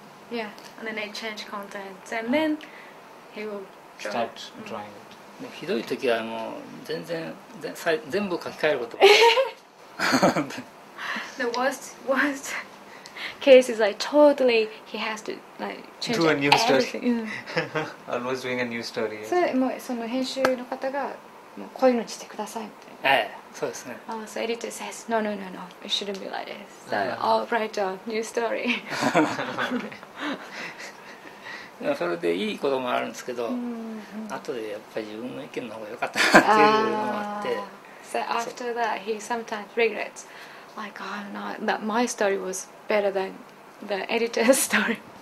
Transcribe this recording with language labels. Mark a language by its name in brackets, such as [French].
[English] yeah and then they change contents and then he will draw. Start drawing it [Japanese] ひどい時はもう全部書き換えること [English] the worst case is like totally he has to like change a new everything. Story. Almost doing a new story. [Japanese] So, もうその編集の方がもうこういうのしてくださいみたいな。そうですね。 [English] So editor says no, it shouldn't be like this. So I'll write a new story. [Japanese] それでいいこともあるんですけど、後でやっぱり自分の意見の方が良かったなっていうのもあって。 [English] So after that, he sometimes regrets. Like, oh, I'm not, that my story was better than the editor's story.